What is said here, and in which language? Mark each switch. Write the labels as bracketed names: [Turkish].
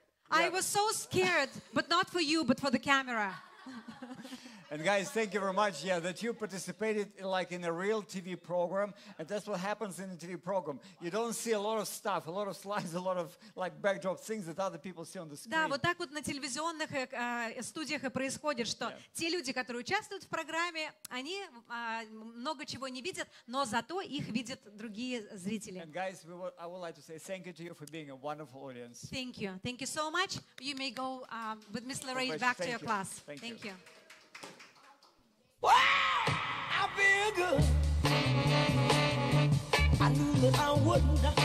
[English] I was so scared, but not for you, but for the camera. And guys, thank you very much. Yeah, that you participated in, like in a real TV program, and that's what happens in a TV program. You don't see a lot of stuff, a lot of slides, a lot of like backdrop things that other people see on the screen. [Russian] Да, вот так вот на телевизионных студиях и происходит, что те люди, которые участвуют в программе, они много чего не видят, но зато их видят другие зрители. [English] And guys, I would like to say thank you to you for being a wonderful audience. Thank you. Thank you so much. You may go with Miss Lorraine back to your class. Thank you. Wow, I feel good. I knew that I wouldn't.